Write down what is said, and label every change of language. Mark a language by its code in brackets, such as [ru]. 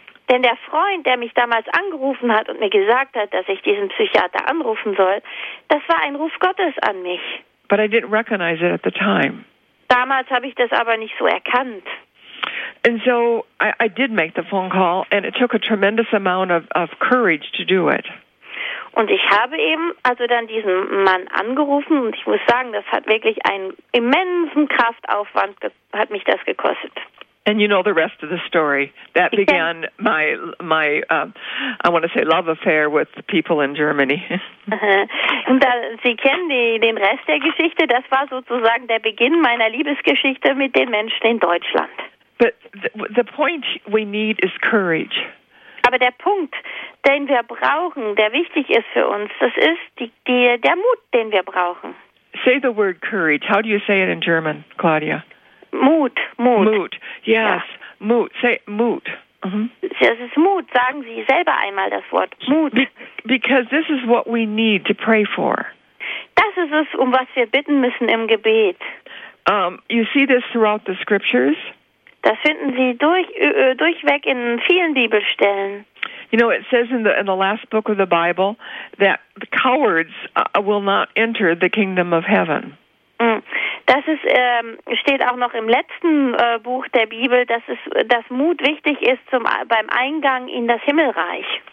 [de] Denn der Freund, der mich damals angerufen hat und mir gesagt hat, dass ich diesen Psychiater anrufen soll, das war ein Ruf Gottes an mich. [en] But I didn't recognize it at the time. [de] Damals habe ich das aber nicht so erkannt. [en] And so I did make the phone call, and it took a tremendous amount of courage to do it. [de] Und ich habe eben also dann diesen Mann angerufen, und ich muss sagen, das hat wirklich einen immensen Kraftaufwand hat mich das gekostet. [en] And you know the rest of the story. That began my love affair with the people in Germany. [de] Und da, Sie kennen den Rest der Geschichte. Das war sozusagen der Beginn meiner Liebesgeschichte mit den Menschen in Deutschland. [en] But the point we need is courage. [de] Aber der Punkt, den wir brauchen, der wichtig ist für uns, das ist der Mut, den wir brauchen. [en] Say the word courage. How do you say it in German, Claudia? [de] Mut. [en] Yes, ja. Mut. Say Mut. [de] Mhm. Das ist Mut. Sagen Sie selber einmal das Wort Mut. [en] Because this is what we need to pray for. [de] Das ist es, um was wir bitten müssen im Gebet. [en] You see this throughout the scriptures. [de] Das finden Sie durchweg in vielen Bibelstellen. [en] You know, it says in the last book of the Bible that the cowards will not enter the kingdom of heaven. [de] Das ist, steht auch noch im letzten Buch der Bibel, dass Mut wichtig ist beim Eingang in das Himmelreich.